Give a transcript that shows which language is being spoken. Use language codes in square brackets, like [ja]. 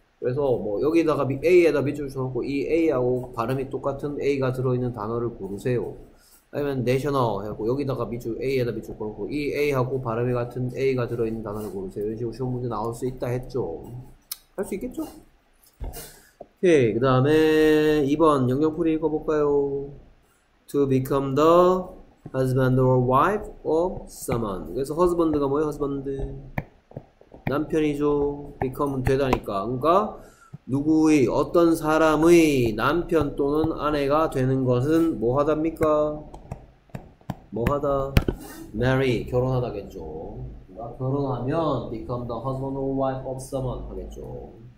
[ko] 그래서 뭐 여기다가 A에다 밑줄 쳐놓고 이 A하고 발음이 똑같은 A가 들어있는 단어를 고르세요. 아니면 national 해갖고 여기다가 밑줄 A에다 밑줄 걸고 이 A하고 발음이 같은 A가 들어있는 단어를 고르세요. 이런 식으로 시험 문제 나올 수 있다 했죠. 할수 있겠죠? 오케이. 그 다음에 2번 영역풀이 읽어볼까요? [en] To become the husband or wife of someone. [ko] 그래서 husband가 뭐예요? husband. 남편이죠. become 되다니까. 그러니까 누구의 어떤 사람의 남편 또는 아내가 되는 것은 뭐 하답니까? 뭐 하다? marry 결혼하다겠죠. 그러니까 결혼하면 [en] become the husband or wife of someone [ko] 하겠죠.